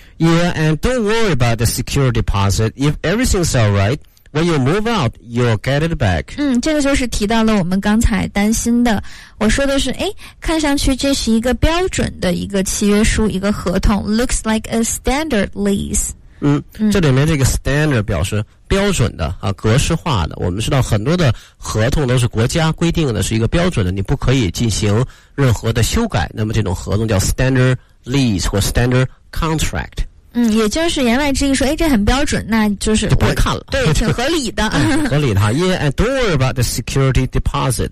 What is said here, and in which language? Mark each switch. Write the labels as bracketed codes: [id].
[en] Yeah, and don't worry about the security deposit. If everything's all rightWhen you move out, you'll get it back. [zh] 这个就是提到了我们刚才担心的。我说的是，哎，看上去这是一个标准的一个契约书，一个合同。 [en] Looks like a standard lease. [zh] 这里面这个 standard 表示标准的啊，格式化的。我们知道很多的合同都是国家规定的，是一个标准的，你不可以进行任何的修改。那么这种合同叫 standard lease 或 standard contract。也就是言外之意说，哎，这很标准，那就是就不会看了，对，挺合理的，合理的哈。 [en] Yeah, and don't worry about the security deposit.